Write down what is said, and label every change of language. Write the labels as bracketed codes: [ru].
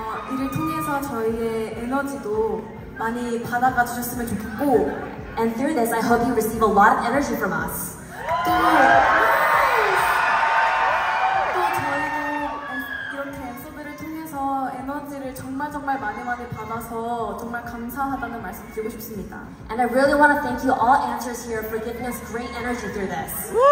[ko] 이를 통해서 저희의 에너지도 많이 받아가 주셨으면 좋겠고, [en] and through this, I hope you receive a lot of energy from us. [ko] 또 저희도 이렇게 엔서브를 통해서 에너지를 정말 정말 많이 많이 받아서 정말 감사하다는 말씀 드리고 싶습니다. [en] And I really want to thank you all answers here for giving us great energy through this.